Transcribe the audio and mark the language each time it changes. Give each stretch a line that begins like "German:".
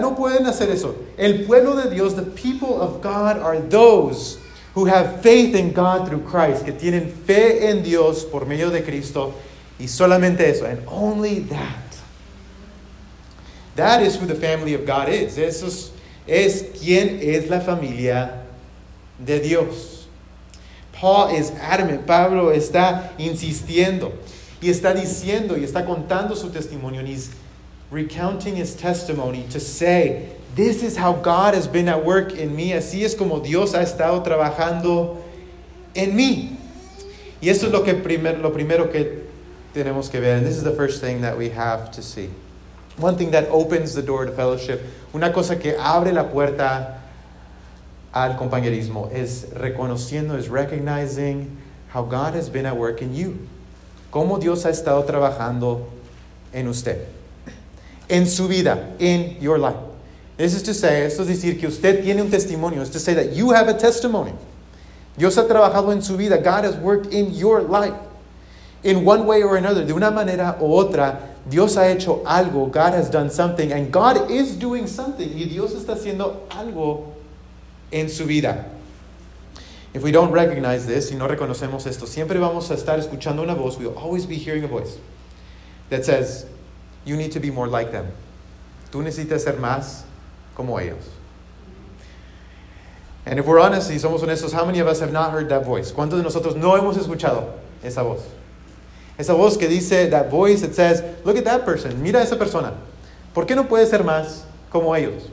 Spanish: No pueden hacer eso. El pueblo de Dios,
English: the people of God, are those who have faith in God through Christ,
Spanish: que tienen fe en Dios por medio de Cristo. Y solamente eso,
English: and only that. That is who the family of God is.
Spanish: Eso es quien es la familia de Dios.
English: Paul is adamant.
Spanish: Pablo está insistiendo. Y está diciendo, y está contando su testimonio.
English: And he's recounting his testimony to say, this is how God has been at work in me.
Spanish: Así es como Dios ha estado trabajando en mí. Y eso es lo primero que tenemos que ver.
English: And this is the first thing that we have to see. One thing that opens the door to fellowship,
Spanish: una cosa que abre la puerta al compañerismo,
English: is recognizing how God has been at work in you.
Spanish: Cómo Dios ha estado trabajando en usted, en su vida,
English: in your life. This is to say,
Spanish: esto es decir que usted tiene un testimonio.
English: It's to say that you have a testimony.
Spanish: Dios ha trabajado en su vida.
English: God has worked in your life. In one way or another,
Spanish: de una manera u otra, Dios ha hecho algo.
English: God has done something, and God is doing something.
Spanish: Y Dios está haciendo algo en su vida.
English: If we don't recognize this,
Spanish: si no reconocemos esto, siempre vamos a estar escuchando una voz,
English: we'll always be hearing a voice that says, you need to be more like them.
Spanish: Tú necesitas ser más como ellos.
English: And if we're honest,
Spanish: si somos honestos,
English: how many of us have not heard that voice?
Spanish: ¿Cuántos de nosotros no hemos escuchado esa voz? Esa voz que dice,
English: that voice that says, look at that person,
Spanish: mira a esa persona. ¿Por qué no puedes ser más como ellos?